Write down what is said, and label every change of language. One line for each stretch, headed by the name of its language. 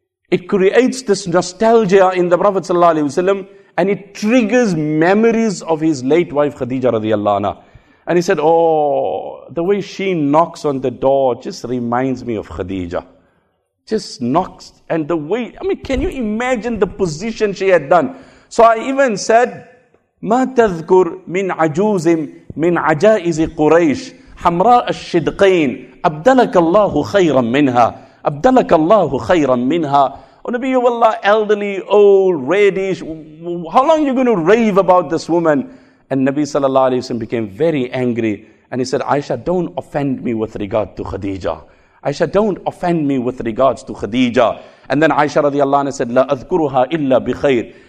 English: It creates this nostalgia in the Prophet sallallahu alaihi wasallam, and it triggers memories of his late wife Khadija radiallahu anha. And he said, oh, the way she knocks on the door just reminds me of Khadija. Just knocks, and the way, I mean, can you imagine the position she had done? So I even said,
Arabic: مَا تَذْكُرْ مِنْ عَجُوزٍ مِنْ عَجَائِزِ قُرَيْشِ حَمْرَاءَ الشِّدْقَيْنِ أَبْدَلَكَ اللَّهُ خَيْرًا مِنْهَا أَبْدَلَكَ اللَّهُ خَيْرًا مِنْهَا.
English: Oh, Nabi of Allah, elderly, old, reddish, how long are you going to rave about this woman? And Nabi sallallahu alayhi wa sallam became very angry, and he said, Aisha, don't offend me with regard to Khadija. Aisha, don't offend me with regards to Khadija. And then Aisha radiallahu anha said,
Arabic: La adhkuruha illa bi khair.